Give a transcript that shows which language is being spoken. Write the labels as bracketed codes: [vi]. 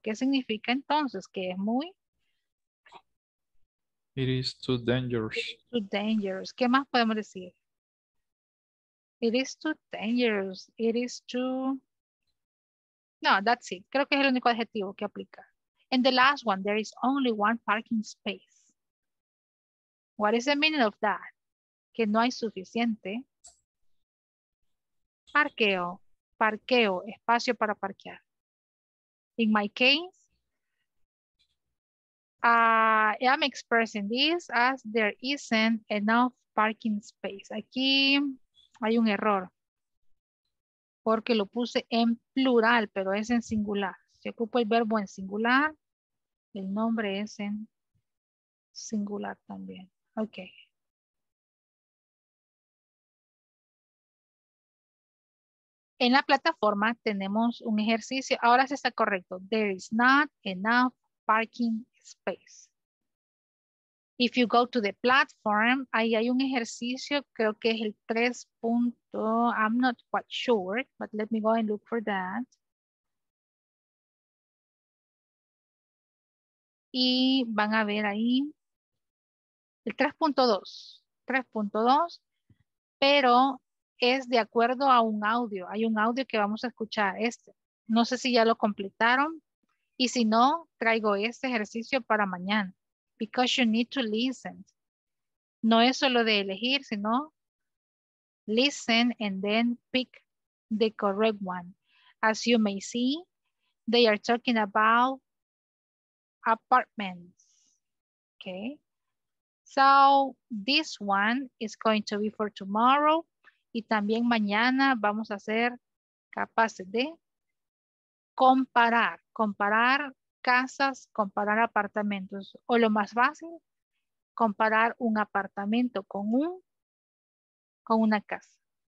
[es] ¿Qué significa entonces? Que es muy... [en] It is too dangerous. It is too dangerous. ¿Qué más podemos decir? It is too dangerous. It is too... No, that's it. [es] Creo que es el único adjetivo que aplica. [en] And the last one, there is only one parking space. What is the meaning of that? [es] Que no hay suficiente. Parqueo. Parqueo, espacio para parquear. [en] In my case, I am expressing this as there isn't enough parking space. [es] Aquí... hay un error, porque lo puse en plural, pero es en singular. Si ocupo el verbo en singular, el nombre es en singular también. Ok. En la plataforma tenemos un ejercicio. Ahora sí está correcto. [en] There is not enough parking space. If you go to the platform, [es] ahí hay un ejercicio, creo que es el 3. [en] I'm not quite sure, but let me go and look for that. [es] Y van a ver ahí el 3.2, pero es de acuerdo a un audio. Hay un audio que vamos a escuchar. Este, no sé si ya lo completaron, y si no, traigo este ejercicio para mañana. [en] Because you need to listen. [es] No es solo de elegir, sino [en] listen and then pick the correct one. As you may see, they are talking about apartments. Okay. So this one is going to be for tomorrow. [es] Y también mañana vamos a ser capaces de comparar. Comparar casas, comparar apartamentos, o lo más fácil, comparar un apartamento con un, con una casa.